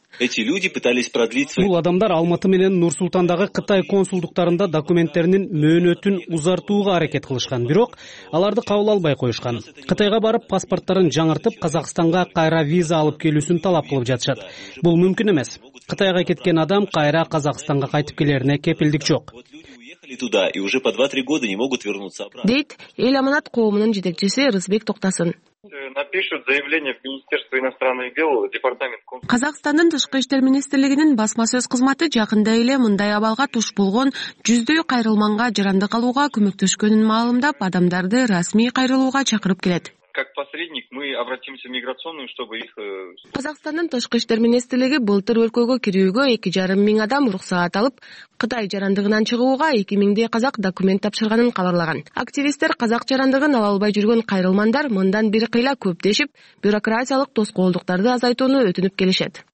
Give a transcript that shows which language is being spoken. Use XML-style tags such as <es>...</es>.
<ky>Бул адамдар Алматы менен Нур-Султандагы Кытай консулдуктарында документтеринин мөөнөтүн узартууга аракет кылышкан, бирок аларды кабыл албай коюшкан. Кытайга барып паспорттарын жаңыртып, Казакстанга кайра виза алып келүүсүн талап кылып жатышат. Бул мүмкүн эмес. Кытайга кеткен адам кайра Казакстанга кайтып келерине кепилдик жок.</ky> <ru>Туда и уже по 2-3 года не могут вернуться обратно.</ru> <ky>Дейт Эл Аманат коомунун жетекчиси Рызбек Токтасын.</ky> <ru>Напишут заявление в Министерство иностранных дел, департамент консулдук.</ru> <ky>Казакстандын тышкы иштер министрлигинин басма сөз кызматы жакында эле мындай абалга туш болгон 100 кайрылманга жарандык алууга көмөктөшкөнүн маалымдап, адамдарды расмий кайрылууга чакырып келет.</ky> <ru>Как посредник мы обратимся в миграционную, чтобы их</ru> <ky>Казакстандын тышкы иштер министрлиги былтыр өлкөгө кирүүгө 2,5 000 адам уруксаат алып, Кытай жарандыгынан чыгууга 2,000 казак документ тапшырганын кабарлаган. Активисттер казак жарандыгын ала албай жүргөн кайрылмандар мындан бир кыйла көптөшүп, бюрократиялык тоскоолдуктарды азайтууну өтүнүп келишет.</ky>